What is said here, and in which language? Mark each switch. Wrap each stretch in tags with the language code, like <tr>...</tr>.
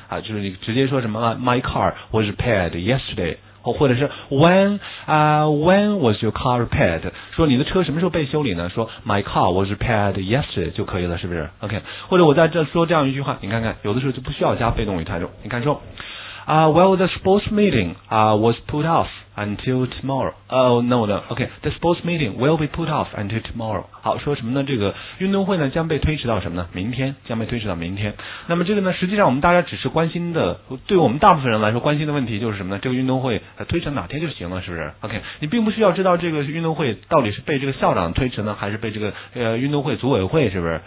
<zh>啊，就是你直接说什么</zh> <en>my car was repaired yesterday。</en> <zh>或者是</zh> <en>when was your car repaired?</en> <zh>说你的车什么时候被修理呢？说</zh> <en>my car was repaired yesterday</en> <zh>就可以了，是不是 ？OK。或者我在这说这样一句话，你看看，有的时候就不需要加被动语态了。你看说</zh> <en>well the sports meeting was put off until tomorrow. Oh no. OK. The sports meeting will be put off until tomorrow.</en> <zh>好，说什么呢？这个运动会呢将被推迟到什么呢？明天，将被推迟到明天。那么这个呢，实际上我们大家只是关心的，对我们大部分人来说关心的问题就是什么呢？这个运动会推迟哪天就行了，是不是 ？OK. 你并不需要知道这个运动会到底是被这个校长推迟呢，还是被这个运动会组委会，是不是？</zh>